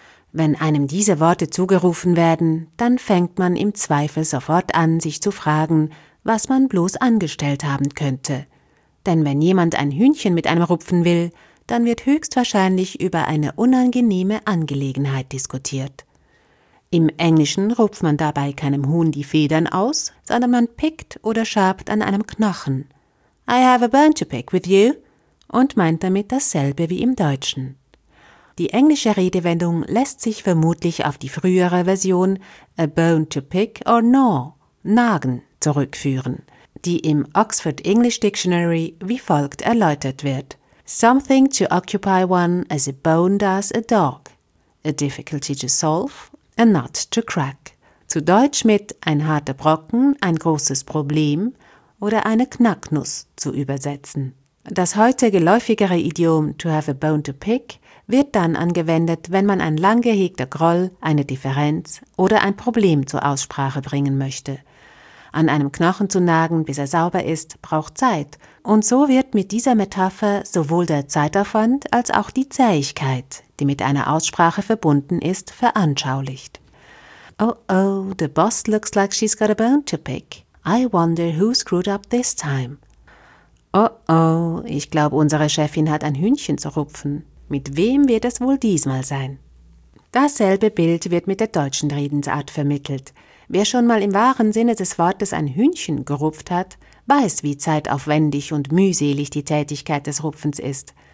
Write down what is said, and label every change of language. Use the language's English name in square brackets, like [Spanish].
[German] Wenn einem diese Worte zugerufen werden, dann fängt man im Zweifel sofort an, sich zu fragen, was man bloß angestellt haben könnte. Denn wenn jemand ein Hühnchen mit einem rupfen will, dann wird höchstwahrscheinlich über eine unangenehme Angelegenheit diskutiert. Im Englischen rupft man dabei keinem Huhn die Federn aus, sondern man pickt oder schabt an einem Knochen. [English] I have a bone to pick with you. [German] Und meint damit dasselbe wie im Deutschen. Die englische Redewendung lässt sich vermutlich auf die frühere Version [English] a bone to pick or gnaw, [German] nagen, zurückführen, die im Oxford English Dictionary wie folgt erläutert wird. [English] Something to occupy one as a bone does a dog. A difficulty to solve, a nut to crack. [German] Zu Deutsch mit ein harter Brocken, ein großes Problem oder eine Knacknuss zu übersetzen. Das heute geläufigere Idiom [English] to have a bone to pick [German] wird dann angewendet, wenn man ein lang gehegter Groll, eine Differenz oder ein Problem zur Aussprache bringen möchte. An einem Knochen zu nagen, bis er sauber ist, braucht Zeit. Und so wird mit dieser Metapher sowohl der Zeitaufwand als auch die Zähigkeit, die mit einer Aussprache verbunden ist, veranschaulicht. [English] Oh oh, the boss looks like she's got a bone to pick. I wonder who screwed up this time. [German] Oh oh, ich glaube, unsere Chefin hat ein Hühnchen zu rupfen. Mit wem wird es wohl diesmal sein? Dasselbe Bild wird mit der deutschen Redensart vermittelt. Wer schon mal im wahren Sinne des Wortes ein Hühnchen gerupft hat, weiß, wie zeitaufwendig und mühselig die Tätigkeit des Rupfens ist.